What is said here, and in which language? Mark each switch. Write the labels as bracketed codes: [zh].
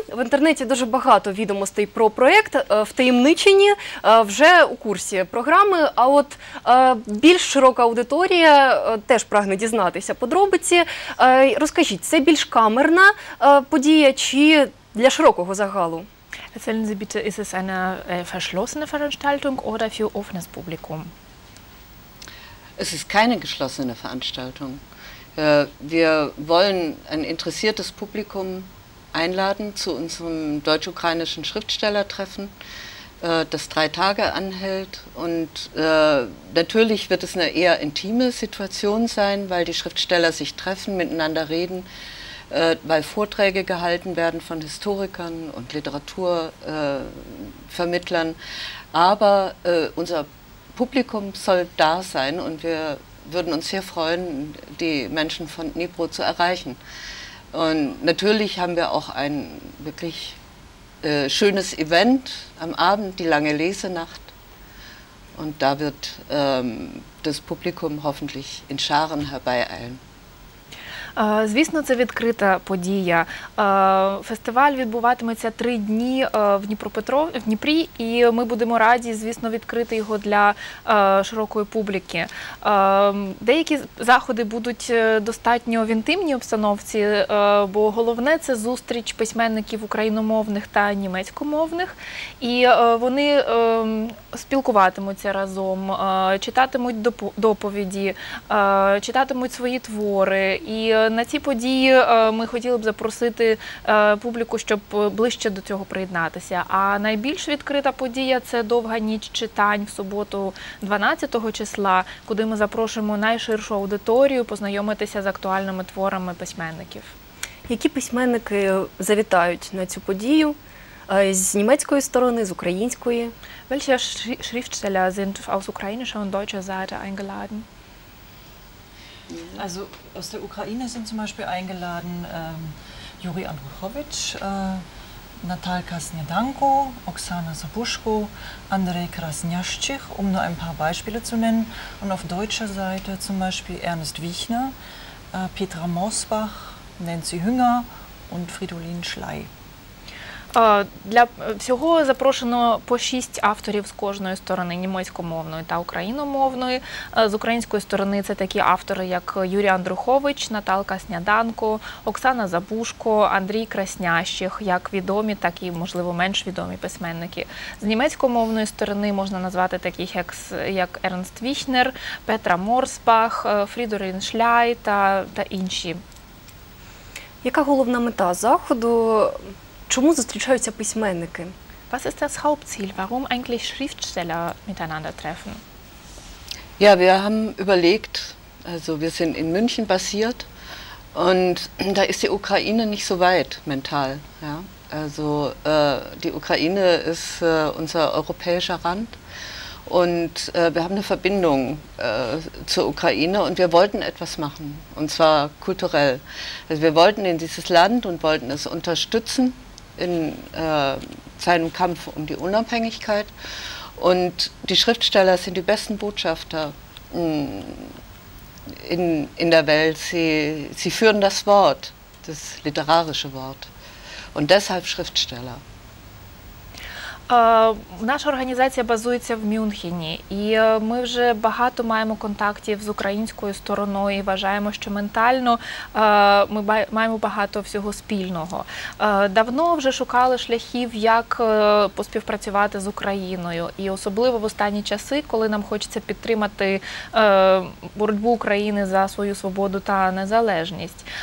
[uk] В інтернеті дуже багато відомостей про проєкт, втаємничені, вже у курсі програми, а от більш широка аудиторія теж прагне дізнатися подробиці. Розкажіть, це більш камерна подія чи для широкого загалу? [de] Erzählen Sie bitte, ist es eine verschlossene Veranstaltung oder für offenes Publikum? Es ist keine geschlossene Veranstaltung. Wir wollen ein interessiertes Publikum einladen zu unserem deutsch-ukrainischen Schriftstellertreffen, das 3 Tage anhält. Und natürlich wird es eine eher intime Situation sein, weil die Schriftsteller sich treffen, miteinander reden, weil Vorträge gehalten werden von Historikern und Literaturvermittlern. Aber unser Publikum soll da sein und wir würden uns sehr freuen, die Menschen von Dnipro zu erreichen. Und natürlich haben wir auch ein wirklich schönes Event am Abend, die lange Lesenacht. Und da wird das Publikum hoffentlich in Scharen herbeieilen. [uk] Звісно, це відкрита подія. Фестиваль відбуватиметься 3 дні в Дніпрі, і ми будемо раді, звісно, відкрити його для широкої публіки. Деякі заходи будуть достатньо в інтимній обстановці, бо головне – це зустріч письменників україномовних та німецькомовних, і вони спілкуватимуться разом, читатимуть доповіді, читатимуть свої твори, і на ці події ми хотіли б запросити публіку, щоб ближче до цього приєднатися. А найбільш відкрита подія – це довга ніч читань в суботу 12 числа, куди ми запрошуємо найширшу аудиторію познайомитися з актуальними творами письменників. Які письменники завітають на цю подію? З німецької сторони, з української? [de] Welche Schriftsteller sind aus ukrainischer und deutscher Seite eingeladen? Also aus der Ukraine sind zum Beispiel eingeladen Juri Andruchowitsch, Natalka Snedanko, Oksana Sobuschko, Andrei Krasnjaschich, um nur ein paar Beispiele zu nennen. Und auf deutscher Seite zum Beispiel Ernest Wichner, Petra Mosbach, Nancy Hünger und Fridolin Schley. [uk] Для всього запрошено по 6 авторів з кожної сторони, німецькомовної та україномовної. З української сторони це такі автори, як Юрій Андрухович, Наталка Сняданко, Оксана Забушко, Андрій Краснящих, як відомі, так і, можливо, менш відомі письменники. З німецькомовної сторони можна назвати таких, як Ернст Віхнер, Петра Морсбах, Фрідорін Шляй та інші. Яка головна мета заходу? Чому зустрічаються письменники? [de] Was ist das Hauptziel? Warum eigentlich Schriftsteller miteinander treffen? Ja, wir haben überlegt, also wir sind in München basiert und da ist die Ukraine nicht so weit mental. Ja? Also die Ukraine ist unser europäischer Rand und wir haben eine Verbindung zur Ukraine und wir wollten etwas machen und zwar kulturell. Also wir wollten in dieses Land und wollten es unterstützen in seinem Kampf um die Unabhängigkeit. Und die Schriftsteller sind die besten Botschafter in der Welt. Sie führen das Wort, das literarische Wort. Und deshalb Schriftsteller. [uk] Наша організація базується в Мюнхені, і ми вже багато маємо контактів з українською стороною, і вважаємо, що ментально ми маємо багато всього спільного. Давно вже шукали шляхів, як поспівпрацювати з Україною, і особливо в останні часи, коли нам хочеться підтримати боротьбу України за свою свободу та незалежність.